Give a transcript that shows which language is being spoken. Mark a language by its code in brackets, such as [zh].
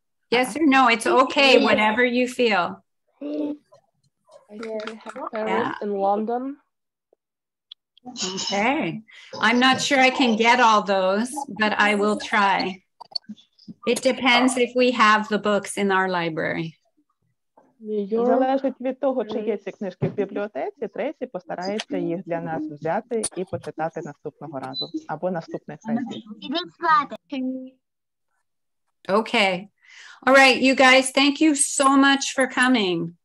[en] Yes or no, it's okay, whatever you feel. In London. Okay. I'm not sure I can get all those, but I will try. It depends if we have the books in our library. [uk] Залежить від того, чи є ці книжки в бібліотеці, Трейсі постарається їх для нас взяти і почитати наступного разу або наступних сесій. [en] Okay. All right, you guys, thank you so much for coming.